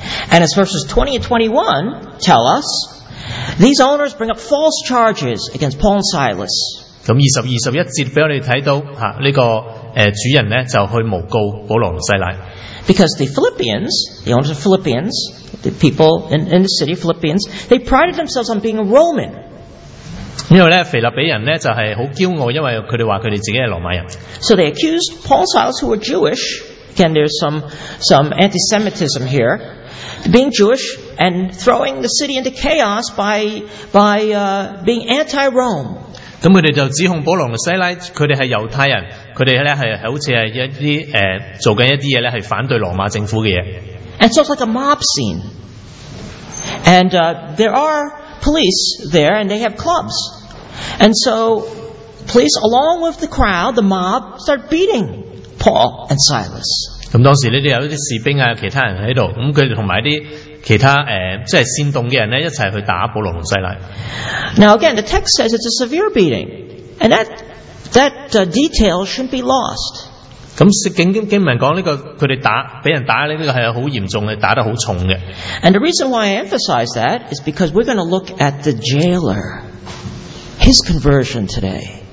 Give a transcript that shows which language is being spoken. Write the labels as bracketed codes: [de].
[en] And as verses 20 and 21 tell us, these owners bring up false charges against Paul and Silas. [yue] 咁20-21节俾我哋睇到吓，呢个主人咧就去诬告保罗同西拉。 [en] Because the Philippians, the owners of Philippians, the people in the city of Philippians, they prided themselves on being a Roman. [yue] 因为咧，腓立比人咧就系好骄傲，因为佢哋话佢哋自己系罗马人。 [en] So they accused Paul and Silas, who were Jewish. Again, there's some anti-Semitism here, being Jewish and throwing the city into chaos by being anti-Rome. [yue] 咁佢哋就指控保罗同西拉，佢哋系犹太人，佢哋咧系好似系一啲做紧一啲嘢咧，系反对罗马政府嘅嘢。 [en] And so it's like a mob scene, and there are police there, and they have clubs, and so police along with the crowd, the mob, start beating Paul and Silas. [yue] 咁当时咧，有啲士兵啊，其他人喺度，咁佢同埋啲其他即係煽動嘅人咧一齊去打保羅同西拉。 [en] Now again, the text says it's a severe beating, and that detail shouldn't be lost. [yue] 咁經文講呢、這個佢哋打俾人打咧，呢、這個係好嚴重嘅，打得好重嘅。 [en] And the reason why I emphasize that is because we're going to look at the jailer, his conversion today.